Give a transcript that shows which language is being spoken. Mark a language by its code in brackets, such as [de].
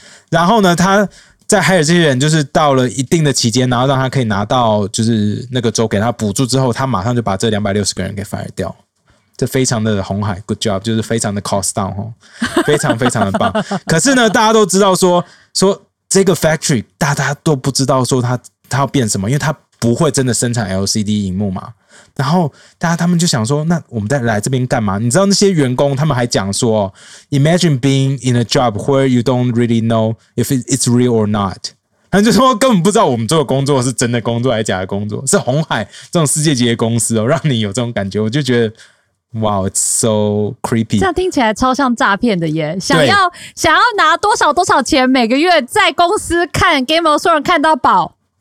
[zh] 然后呢，他在海尔这些人就是到了一定的期间，然后让他可以拿到就是那个州给他补助之后，他马上就把这260个人给 fire 掉，这非常的红海 [en] good job， [zh] 就是非常的 [en] cost down [zh] 哦，非常非常的棒。可是呢，大家都知道说这个 factory， 大家都不知道说他要变什么，因为他不会真的生产 LCD 萤幕嘛。然后大家他们就想说，那我们再来这边干嘛？你知道那些员工他们还讲说 [en] ，Imagine being in a job where you don't really know if it's real or not。 [zh] 他们就说根本不知道我们做的工作是真的工作还是假的工作，是红海这种世界级的公司哦，让你有这种感觉，我就觉得。 [en] Wow, it's so creepy. [zh] 这样听起来超像诈骗的耶！想要拿多少多少钱，每个月在公司看 Game of Thrones 看到饱。